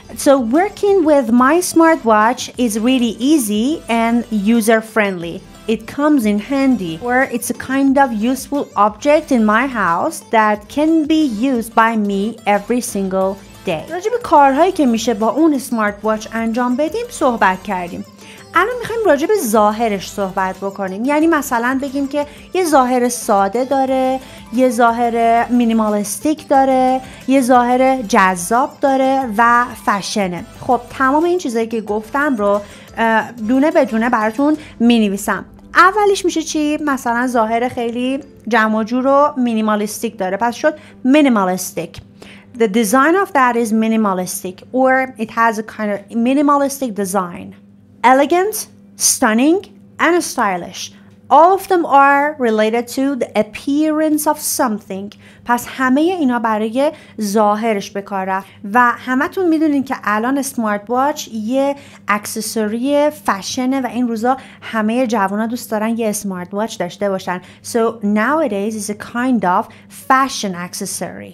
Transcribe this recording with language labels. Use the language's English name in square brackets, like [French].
[English] So working with my smartwatch is really easy and user friendly. It comes in handy where it's a kind of useful object in my house that can be used by me every single day. [Persian] راجع به کارهایی که میشه با اون smartwatch انجام بدیم صحبت کردیم. الان میخواییم راجع به ظاهرش صحبت بکنیم. یعنی مثلا بگیم که یه ظاهر ساده داره، یه ظاهر مینیمالستیک داره، یه ظاهر جذاب داره و فشنه. خب تمام این چیزایی که گفتم رو دونه به دونه براتون مینویسم. اولیش میشه چی؟ مثلا ظاهر خیلی جمع و جور و مینیمالستیک داره، پس شد مینیمالستیک. [English] The design of that is minimalistic or it has a kind of minimalistic design. Elegant, stunning, and stylish. All of them are related to the appearance of something. [Persian] پس همه اینا برای ظاهرش به کار رفت. و همه تون میدونین که الان سمارت واچ یه اکسسوری فشنه و این روزا همه جوانا دوست دارن یه سمارت واچ داشته باشن. [English] So nowadays is a kind of fashion accessory.